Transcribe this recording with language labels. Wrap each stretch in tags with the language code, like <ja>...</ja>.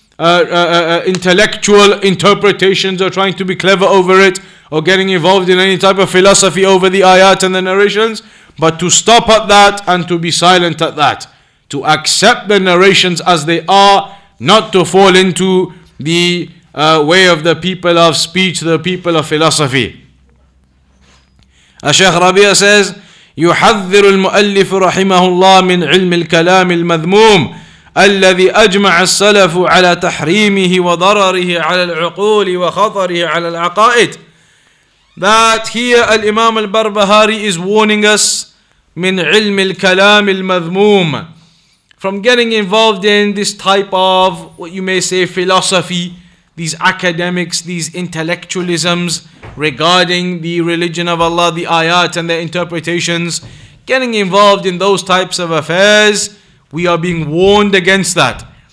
<en>intellectual interpretations or trying to be clever over it or getting involved in any type of philosophy over the ayat and the narrations, but to stop at that and to be silent at that, to accept the narrations as they are, not to fall into the way of the people of speech, the people of philosophy. Shaykh Rabee says,</en> <ar>يحذر المؤلف رحمه الله من علم الكلام المذموم الذي أجمع السلف على تحريمه وضرره على العقول وخطره على العقائد.</ar> <en>That here al-Imam al-Barbahaaree is warning us</en> <ar>من علم الكلام المذموم,</ar> <en>from getting involved in this type of what you may say philosophy, these academics, these intellectualisms regarding the religion of Allah, the ayat and their interpretations, getting involved in those types of affairs, we are being warned against that.</en>